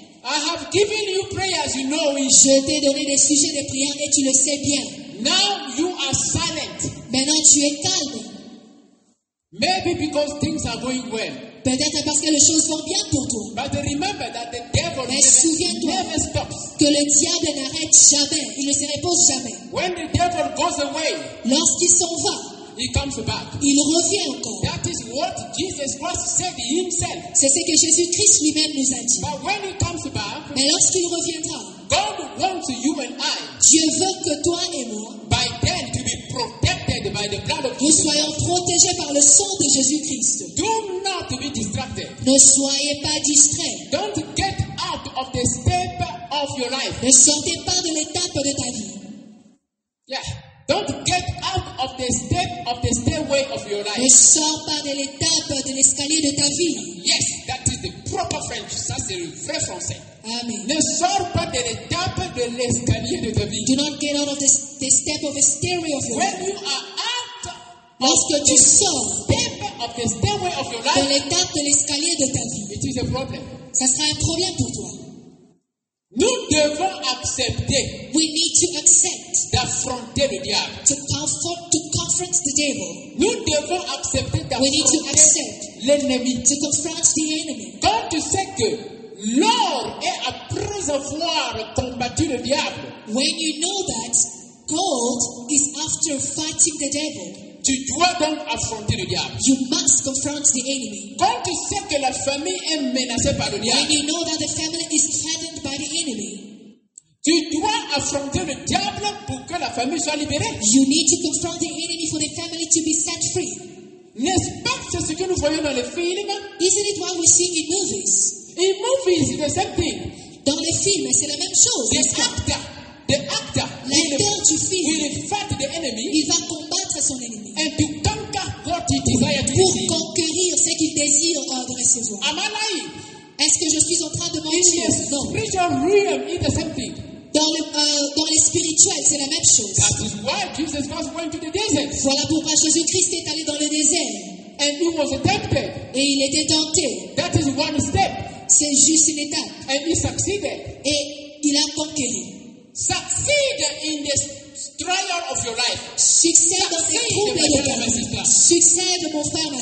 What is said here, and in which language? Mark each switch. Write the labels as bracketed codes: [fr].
[en] I have given you prayers, you know it. [fr] Je t'ai donné des sujets de prière et tu le sais bien. [en] Now you are silent. [fr] Maintenant tu es calme. [en] Maybe because things are going well. [fr] Peut-être parce que les choses vont bien pour toi. [en] But remember that the devil never stops. [fr] Que le diable n'arrête jamais. Il ne se repose jamais. [en] When the devil goes away, [fr] lorsqu'il s'en va, [en] he comes back. [fr] Il revient encore. [en] That is what Jesus Christ said himself. [fr] C'est ce que Jésus-Christ lui-même nous a dit. [en] But when he comes back, [fr] mais lorsqu'il reviendra, [en] God wants you and I, [fr] Dieu veut que toi et moi, [en] by then to be protected by the blood of Jesus. [fr] Nous soyons protégés par le sang de Jésus-Christ. [en] Do not be distracted. [fr] Ne soyez pas distraits. [en] Don't get out of the step of your life. [fr] Ne sortez pas de l'étape de ta vie. [en] Yeah. Don't get out of the step of the stairway of your life. [fr] Ne sors pas de l'étape de l'escalier de ta vie. [en] Yes, that is the proper French. [fr] Ça c'est le vrai français. [en] Amen. [fr] Ne sors pas de l'étape de l'escalier de ta vie. [en] Do not get out of the step of the stairway of your when life. When you are out, [fr] lorsque tu sors, [en] step of the stairway of your life, [fr] de l'étape de l'escalier de ta vie, [en] it is a problem. [fr] Ça sera un problème pour toi. Nous devons accepter. [en] We need to accept. [fr] D'affronter le diable. [en] To confront the devil. [fr] Nous devons accepter d'affronter. [en] We need to accept. [fr] L'ennemi. [en] To confront the enemy. [fr] Quand tu sais que l'or est après avoir combattu le diable. [en] When you know that gold is after fighting the devil. [fr] Tu dois donc affronter le diable. [en] You must confront the enemy. [fr] Quand tu sais que la famille est menacée par le diable. [en] When you know that the family is threatened by the enemy. [fr] Tu dois affronter le diable pour que la famille soit libérée. [en] You need to confront the enemy for the family to be set free. [fr] N'est-ce pas c'est ce que nous voyons dans les films? [en] Isn't it what we see in movies? In movies, the same thing. [fr] Dans les films, c'est la même chose. [en] The actor. [fr] L'acteur du film. [en] Will fight the enemy. [fr] Il va combattre son ennemi. [en] And to conquer what he desires to [fr] pour receive. Conquérir ce qu'il désire de recevoir. [en] Am I lying? [fr] Est-ce que je suis en train de mentir? [en] Non. Realm, the same thing. [fr] Dans les spirituels, c'est la même chose. [en] That is why Jesus Christ went to the desert. [fr] Voilà pourquoi Jésus-Christ est allé dans le désert. [en] And he was tempted. [fr] Et il était tenté. [en] That is one step. [fr] C'est juste une étape. [en] And he succeeded. [fr] Et il a conquéri. [en] Succeed in the trial of your life. [fr] Succès dans les troubles de ta vie. Succès de mon frère, ma